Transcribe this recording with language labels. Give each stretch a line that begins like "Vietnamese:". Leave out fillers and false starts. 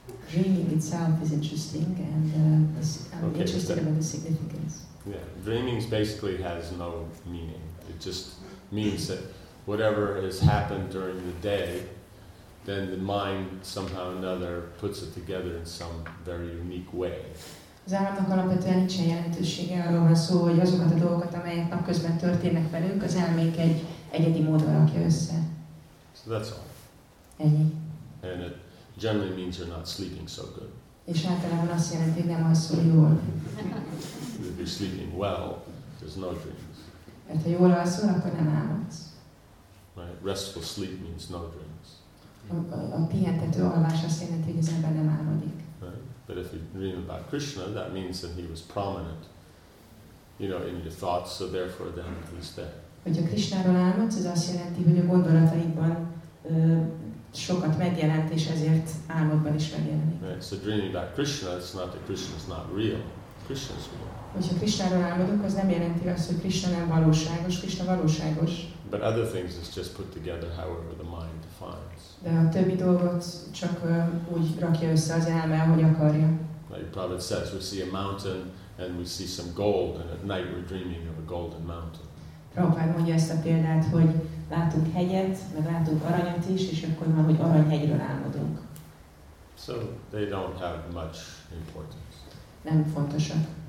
English: Dreaming itself is interesting, and interested about the significance. Yeah, dreaming basically has no meaning. It just means that whatever has happened during the day, then the mind somehow or another puts it together in some very unique way.
Hungarian: Az elmének alapvetően nincsen jelentősége, arról van szó, hogy azokat a dolgokat, amelyek napközben történnek velünk, az elménk egy egyedi módon rakja össze.
English: So that's all.
Hungarian: Ennyi.
English: And it generally means you're not sleeping so good.
Hungarian: És általában azt jelenti, hogy nem alszol jól.
English: If you're sleeping well, there's no dreams.
Hungarian: Mert ha jól alszol, akkor nem álmodsz.
English: Right? Restful sleep means no dreams.
Hungarian: A pihentető alvás azt jelenti, hogy az ember nem álmodik.
English: But if you dream about Krishna, that means that he was prominent, you know, in your thoughts, so therefore then he's there.
Hungarian: Hogyha Krishnáról álmodsz, az azt jelenti, hogy a gondolataidban sokat megjelent, és ezért álmodban is megjelenik.
English: Right, so dreaming about Krishna, it's not that Krishna's not real. Krishna's real.
Hungarian: Hogyha Krishnáról álmodok, az nem jelenti azt, hogy Krishna nem valóságos, Krishna valóságos.
English: But other things is just put together however the mind defines.
Hungarian: De a többi dolgot csak úgy rakja össze az elme, ahogy akarja.
English: Like Prabhupada says, we see a mountain and we see some gold and at night we're dreaming of a golden mountain.
Hungarian: Prabhupada mondja ezt a példát, hogy látunk hegyet, meg látunk aranyat is, és akkor már, hogy aranyhegyről álmodunk.
English: So they don't have much importance.
Hungarian: Nem fontosak.